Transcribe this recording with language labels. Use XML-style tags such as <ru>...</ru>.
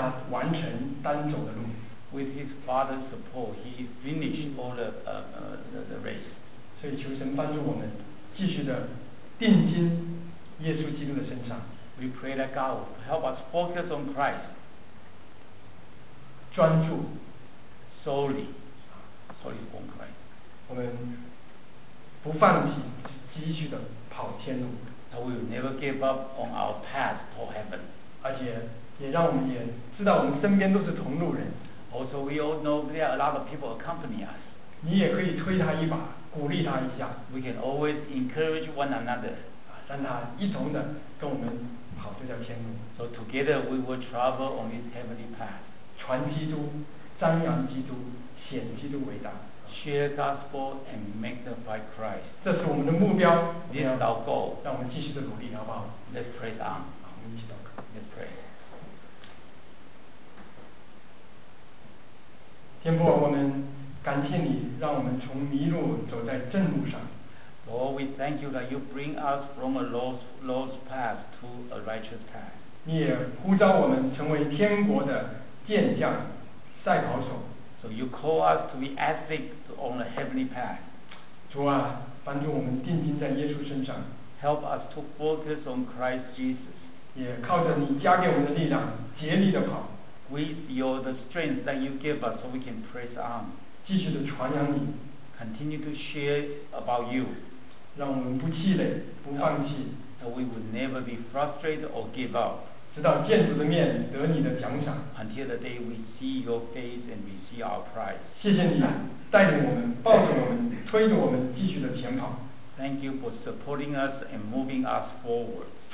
<en>With his father's support, he finished all the race.</en> <zh>所以求神帮助我们继续的定睛耶稣基督的身上。</zh> <en>We pray that God will help us focus on Christ.</en> <zh>专注</zh> <en>solely on Christ.</en> <zh>我们不放弃，继续的跑天路。</zh> <en>That we will never give up on our path to heaven.</en> <zh>而且也让我们也知道我们身边都是同路人。</zh> <en>Also, we all know there are a lot of people accompany us.</en> <zh>你也可以推他一把，鼓励他一下。</zh> <en>We can always encourage one another.</en> <zh>让他一同的跟我们跑这条天路。</zh> <en>So together we will travel on this heavenly path.</en> <zh>传基督，彰扬基督，显基督伟大。</zh> <en>Share gospel and magnify Christ.</en> <zh>这是我们的目标。</zh> <en>This is our goal.</en> <zh>让我们继续的努力，好不好</zh> <en>？Let's pray on.</en> <zh>好，我们一起祷告。</zh> <en>Let's pray.</en> <zh>天父，我们感谢你，让我们从迷路走在正路上。</zh> <en>Lord, we thank you that you bring us from a lost path to a righteous path.</en> <zh>你也呼召我们成为天国的健将、赛跑手。</zh> <en>So you call us to be athletes on a heavenly path.</en> <zh>主啊，帮助我们定睛在耶稣身上。</zh> <en>Help us to focus on Christ Jesus.</en> <zh>也靠着你加给我们的力量，竭力地跑。</zh> <en>With your the strength that you give us, so we can press on.</en> <zh>继续的传扬你。</zh> <en>Continue to share about you.</en> <zh>让我们不气馁，不放弃。</zh> <en>That we would never be frustrated or give up.</en> <zh>直到见主的面，得你的奖赏。</zh> <en>Until the day we see your face and we see our prize.</en> <zh>谢谢你带领我们，抱着我们，推着我们继续的前跑。</zh> <en>Thank you for supporting us and moving us forward.</en>